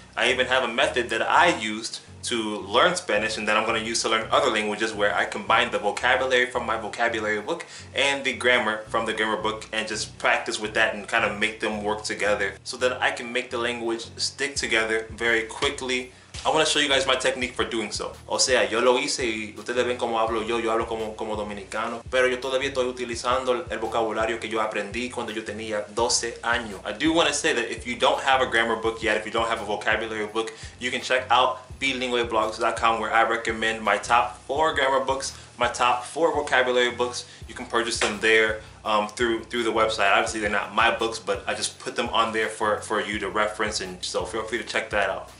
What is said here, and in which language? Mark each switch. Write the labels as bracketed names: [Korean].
[English] I even have a method that I used to learn Spanish and that I'm going to use to learn other languages, where I combine the vocabulary from my vocabulary book and the grammar from the grammar book and just practice with that and kind of make them work together so that I can make the language stick together very quickly. I want to show you guys my technique for doing so. [Spanish] O sea, yo lo hice y ustedes ven cómo hablo yo hablo como dominicano, pero yo todavía estoy utilizando el vocabulario que yo aprendí cuando yo tenía 12 años. [English] I do want to say that if you don't have a grammar book yet, if you don't have a vocabulary book, you can check out bilingueblogs.com, where I recommend my top 4 grammar books, my top 4 vocabulary books. You can purchase them there through the website. Obviously, they're not my books, but I just put them on there for you to reference, and so feel free to check that out.